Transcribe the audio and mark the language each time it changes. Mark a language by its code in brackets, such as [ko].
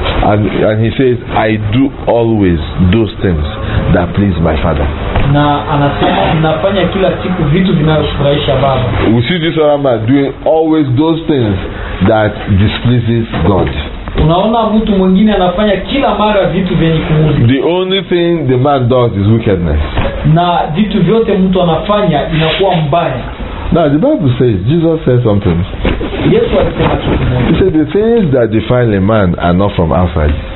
[en] And he says, I do always those things that please my father. [sw] Na anasema nafanya kila siku vitu vinavyofurahisha baba. [en] We see this other man doing always those things that displeases God. [sw] Unaona mtu mwingine anafanya kila mara vitu vyenye kumuudhi. [en] The only thing the man does is wickedness. [sw] Na vitu vyote mtu anafanya inakuwa mbaya. [en] Now the Bible says, Jesus said something. Yes, what is it? He said, the things that define a man are not from outside.